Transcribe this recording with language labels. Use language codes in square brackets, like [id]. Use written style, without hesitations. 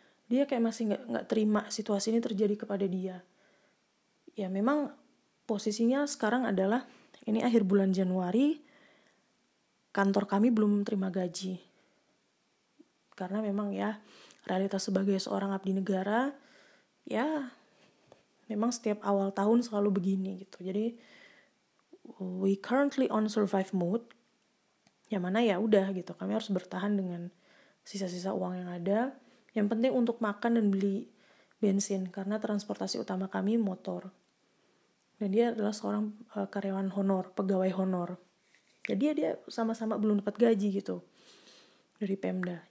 [id] Dia kayak masih gak terima situasi ini terjadi kepada dia. Ya memang posisinya sekarang adalah ini akhir bulan Januari, kantor kami belum terima gaji. Karena memang ya realitas sebagai seorang abdi negara, ya memang setiap awal tahun selalu begini gitu. [en] Jadi we currently on survive mode. [id] Ya mana ya udah gitu, kami harus bertahan dengan sisa-sisa uang yang ada. Yang penting untuk makan dan beli bensin, karena transportasi utama kami motor. Dan dia adalah seorang karyawan honor, pegawai honor. Jadi ya dia sama-sama belum dapat gaji gitu dari Pemda.